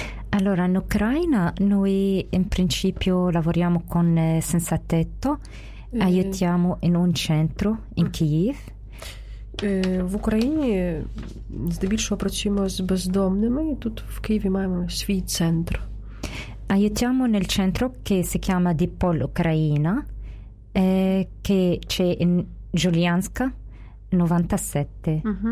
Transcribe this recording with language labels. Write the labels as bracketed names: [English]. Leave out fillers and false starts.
[Italian] Allora, in Ucraina noi in principio lavoriamo con senza tetto, aiutiamo in un centro in Kyiv. [Ukrainian] В Україні здебільшого працюємо з бездомними, і тут в Києві маємо свій центр. [Italian] Aiutiamo nel centro che si chiama Dipol Ucraina, che c'è in Giulianska 97.